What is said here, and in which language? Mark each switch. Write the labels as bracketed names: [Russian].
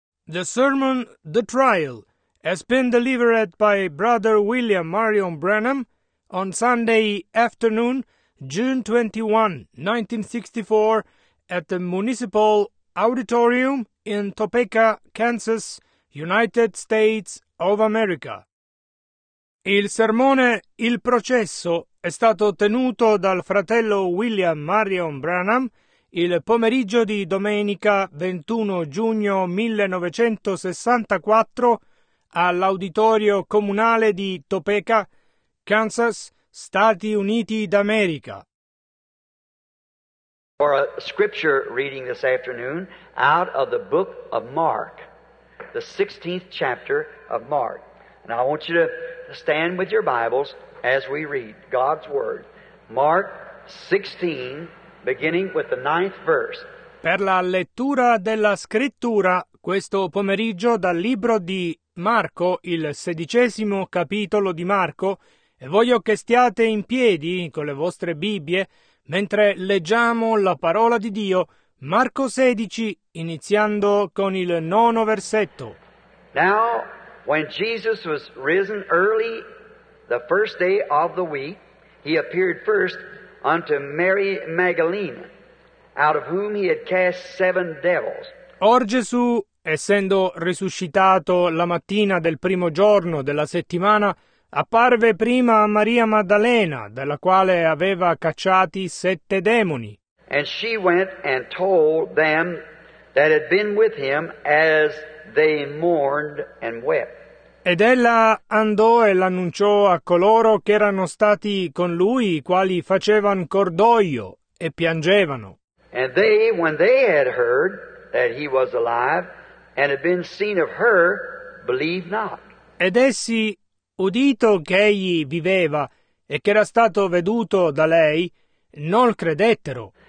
[English] The sermon, The Trial, has been delivered by Brother William Marion Branham on Sunday afternoon, June 21, 1964, at the Municipal Auditorium in Topeka, Kansas, United States of America. [Italian] Il sermone Il Processo è stato tenuto dal fratello William Marion Branham il pomeriggio di domenica 21 giugno 1964 all'Auditorio Comunale di Topeka, Kansas, Stati Uniti d'America. [English] For a scripture reading this afternoon out of the book of Mark, the 16th chapter of Mark. And I want you to stand with your Bibles as we read God's Word. Mark 16, beginning with the 9th verse. [Italian] Per la lettura della scrittura, questo pomeriggio dal libro di Marco, il 16° capitolo di Marco, e voglio che stiate in piedi con le vostre Bibbie mentre leggiamo la parola di Dio, Marco 16, iniziando con il 9° versetto. [English] Now, when Jesus was risen early the first day of the week, he appeared first unto Mary Magdalene, out of whom he had cast 7 devils. [Italian] Or Gesù, essendo risuscitato la mattina del primo giorno della settimana, apparve prima a Maria Maddalena, dalla quale aveva cacciati 7 demoni. [English] And she went and told them that had been with him as they mourned and wept. [Italian] Ed ella andò e l'annunciò a coloro che erano stati con lui, i quali facevano cordoglio e piangevano. [English] And they, when they had heard that he was alive and had been seen of her, believed not. [Italian] Ed essi, udito che egli viveva e che era stato veduto da lei, non credettero.